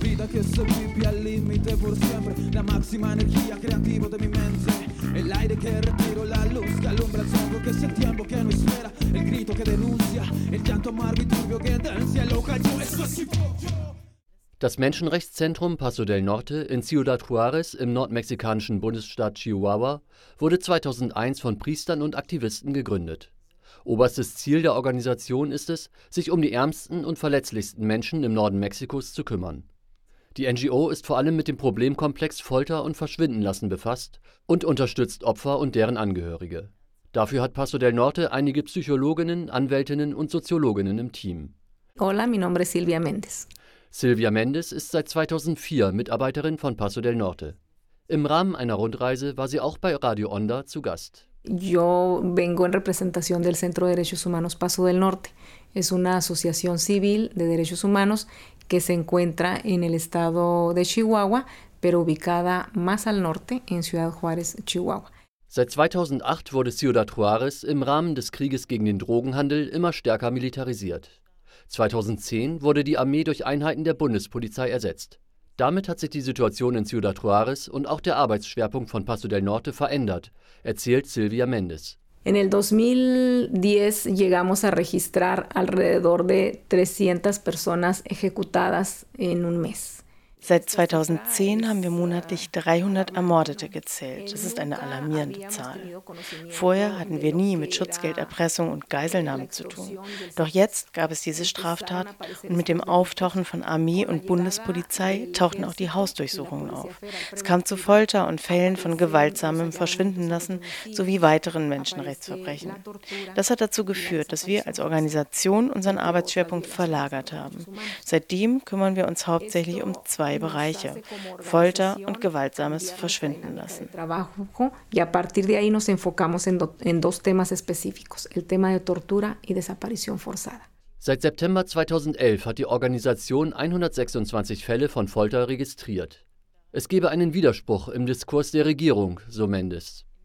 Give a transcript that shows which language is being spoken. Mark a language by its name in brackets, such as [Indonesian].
[Spanish] Que se vive al límite por siempre. La máxima energía creativa de mi mente. El aire que retiro, la luz que alumbra el sonido, que es el tiempo que no espera. El grito que denuncia, el llanto amargo y turbio que danza loca. Yo eso es hip hop. [German] Das Menschenrechtszentrum Paso del Norte in Ciudad Juárez im nordmexikanischen Bundesstaat Chihuahua wurde 2001 von Priestern und Aktivisten gegründet. Oberstes Ziel der Organisation ist es, sich um die ärmsten und verletzlichsten Menschen im Norden Mexikos zu kümmern. Die NGO ist vor allem mit dem Problemkomplex Folter und Verschwindenlassen befasst und unterstützt Opfer und deren Angehörige. Dafür hat Paso del Norte einige Psychologinnen, Anwältinnen und Soziologinnen im Team. [Spanish] Hola, mi nombre es Silvia Méndez. [German] Silvia Méndez ist seit 2004 Mitarbeiterin von Paso del Norte. Im Rahmen einer Rundreise war sie auch bei Radio Onda zu Gast. [Spanish] Yo vengo en representación del Centro de Derechos Humanos Paso del Norte. Es una asociación civil de derechos humanos que se encuentra en el estado de Chihuahua, pero ubicada más al norte, en Ciudad Juárez, Chihuahua. [German] Seit 2008 wurde Ciudad Juárez im Rahmen des Krieges gegen den Drogenhandel immer stärker militarisiert. 2010 wurde die Armee durch Einheiten der Bundespolizei ersetzt. Damit hat sich die Situation in Ciudad Juárez und auch der Arbeitsschwerpunkt von Paso del Norte verändert, erzählt Silvia Méndez. [Spanish] En el 2010 llegamos a registrar alrededor de 300 personas ejecutadas en un mes. [German] Seit 2010 haben wir monatlich 300 Ermordete gezählt. Das ist eine alarmierende Zahl. Vorher hatten wir nie mit Schutzgelderpressung und Geiselnahme zu tun. Doch jetzt gab es diese Straftaten und mit dem Auftauchen von Armee und Bundespolizei tauchten auch die Hausdurchsuchungen auf. Es kam zu Folter und Fällen von gewaltsamem Verschwindenlassen sowie weiteren Menschenrechtsverbrechen. Das hat dazu geführt, dass wir als Organisation unseren Arbeitsschwerpunkt verlagert haben. Seitdem kümmern wir uns hauptsächlich um zwei Bereiche, Folter und gewaltsames Verschwinden lassen. [Spanish] Y a partir de ahí nos enfocamos en dos temas específicos, el tema de tortura y desaparición forzada. [German] Seit September 2011 hat die Organisation 126 Fälle von Folter registriert. Es gebe einen Widerspruch im Diskurs der Regierung, so Méndez.